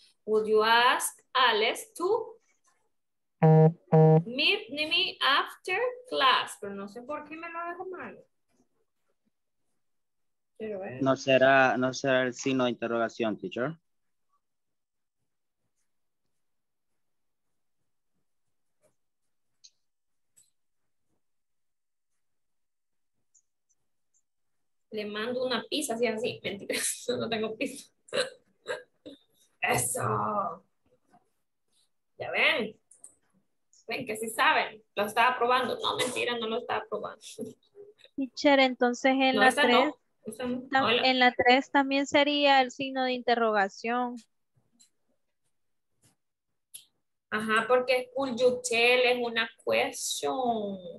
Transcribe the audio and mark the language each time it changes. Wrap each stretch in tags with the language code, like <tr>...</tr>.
<en>Would you ask Alex to meet me after class?</en> <es>Pero no sé por qué me lo dejó mal. ¿No será el signo de interrogación, teacher? Le mando una pizza, si es así. Mentira, no tengo pizza. ¡Eso! ¿Ya ven? ¿Ven que sí saben? Lo estaba probando. No, mentira, no lo estaba probando. Teacher, entonces en la 3... No. En la 3 también sería el signo de interrogación. Ajá, porque</es> <en>could you tell</en> <es>es una question.</es>